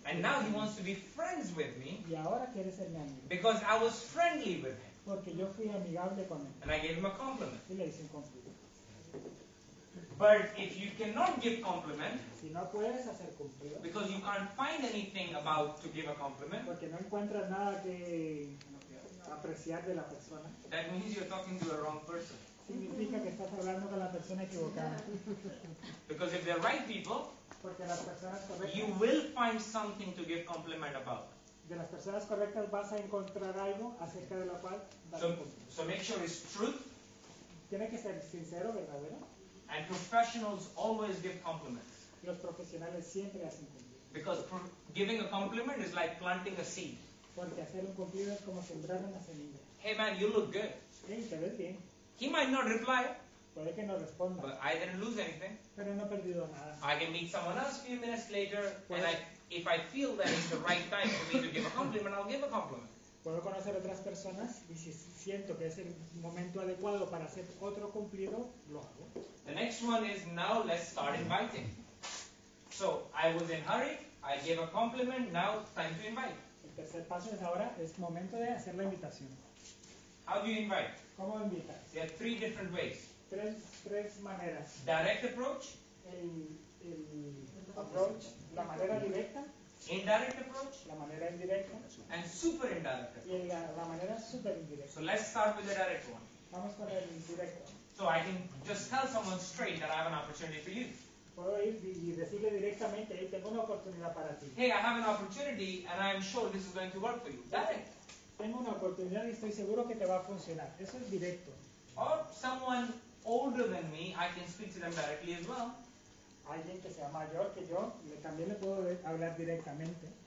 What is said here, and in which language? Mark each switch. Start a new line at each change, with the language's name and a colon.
English: And now he wants to be friends with me.
Spanish: Y ahora quiere ser mi amigo.
English: Because I was friendly with him.
Spanish: Porque yo fui amigable con él.
English: And I gave him a compliment.
Spanish: Y le hice un cumplido.
English: But if you cannot give compliment,
Spanish: si no puedes hacer cumplido,
English: because you can't find anything about to give a compliment,
Spanish: porque no encuentras nada que apreciar de la persona,
English: that means you're talking to the wrong person.
Spanish: Significa que estás hablando con la persona equivocada.
English: Because if they're right people,
Spanish: porque las personas correctas,
English: you will find something to give compliment about.
Spanish: De las personas correctas vas a encontrar algo acerca de la cual dar
English: compliment. So make sure it's truth.
Spanish: Tiene que ser sincero, verdadero.
English: And professionals always give compliments.
Spanish: Los profesionales siempre hacen cumplidos.
English: Because giving a compliment is like planting a seed.
Spanish: Porque hacer un cumplido es como sembrar una semilla.
English: Hey man, you look good.
Spanish: Sí, te ves bien.
English: He might not reply.
Spanish: Puede que no responda.
English: But I didn't lose anything.
Spanish: Pero no he perdido nada.
English: I can meet someone else a few minutes later, and if I feel that it's the right time for me to give a compliment, I'll give a compliment.
Spanish: Puedo conocer otras personas y si siento que es el momento adecuado para hacer otro cumplido, lo hago.
English: The next one is now let's start inviting. So I was in hurry, I gave a compliment, now time to invite.
Spanish: El tercer paso es ahora, es momento de hacer la invitación.
English: How do you invite?
Spanish: ¿Cómo invitas?
English: There are three different ways.
Spanish: Tres maneras.
English: Direct approach.
Spanish: El approach, la manera directa.
English: Indirect approach,
Spanish: la manera indirecta,
English: and super indirect approach.
Spanish: Y la manera super indirecta.
English: So let's start with the direct one.
Spanish: Vamos con el directo.
English: So I can just tell someone straight that I have an opportunity for you.
Spanish: Puedo ir y decirle directamente, hey, tengo una oportunidad para ti.
English: Hey, I have an opportunity and I'm sure this is going to work for you. Direct.
Spanish: Tengo una oportunidad y estoy seguro que te va a funcionar. Eso es directo.
English: Or someone older than me, I can speak to them directly as well.
Spanish: Alguien que sea mayor que yo, también le puedo hablar directamente.